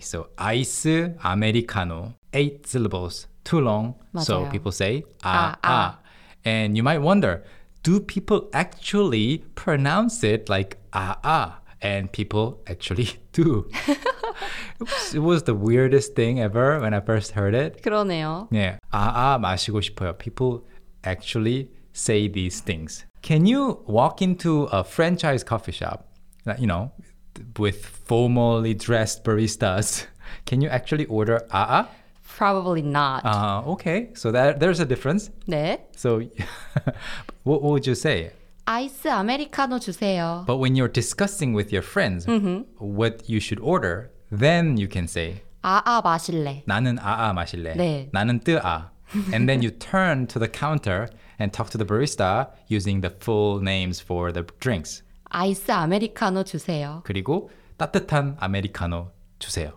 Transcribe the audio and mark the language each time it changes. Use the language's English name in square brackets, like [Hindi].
[Korean] So 아이스 아메리카노. [English] 8 syllables. Too long, [Korean] 맞아요. [English] So people say ah. And you might wonder, do people actually pronounce it like ah? And people actually do. it was the weirdest thing ever when I first heard it. [Korean] 그러네요. [English] Yeah, ah, [Korean] 마시고 싶어요. [English] People actually say these things. Can you walk into a franchise coffee shop, you know, with formally dressed baristas? Can you actually order ah? Probably not. Okay. So there's a difference. [Korean] 네. [English] So what would you say? [Korean] 아이스 아메리카노 주세요. [English] But when you're discussing with your friends mm-hmm. what you should order, then you can say [Korean] 아아 마실래. 나는 아아 마실래. 네. 나는 뜨아. [English] And then you turn to the counter and talk to the barista using the full names for the drinks. [Korean] 아이스 아메리카노 주세요. 그리고 따뜻한 아메리카노 주세요.